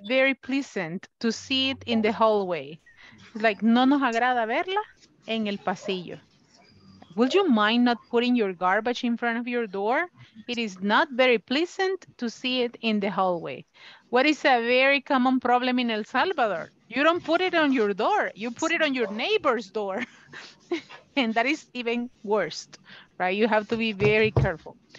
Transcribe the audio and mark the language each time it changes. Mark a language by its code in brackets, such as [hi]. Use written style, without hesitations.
[en] very pleasant to see it in the hallway. Like, [es] no nos agrada verla en el pasillo. [en] Would you mind not putting your garbage in front of your door? It is not very pleasant to see it in the hallway. What is a very common problem in El Salvador? You don't put it on your door. You put it on your neighbor's door. And that is even worse, right? You have to be very careful.